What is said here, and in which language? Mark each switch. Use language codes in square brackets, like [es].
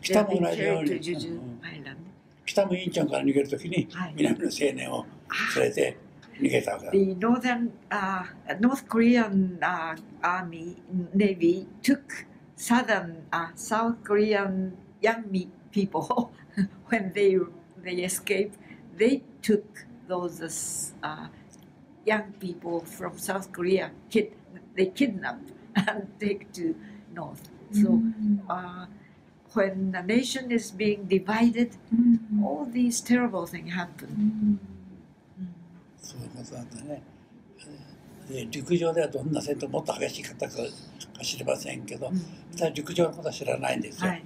[ja] 北も同じように北もインチョンから逃げるときに南の青年を連れて逃げたわけ [en] だ。 The Northern, North Korean Army, Navy took Southern, South Korean young people when they escaped. They took those young people from South Korea, they kidnapped and take to North. So, when a nation is being divided, all these terrible things happen. [ja] そういうことなんだね。で、陸上ではどんな戦闘もっと激しかったか知りませんけど、ただ陸上のことは知らないんですよ。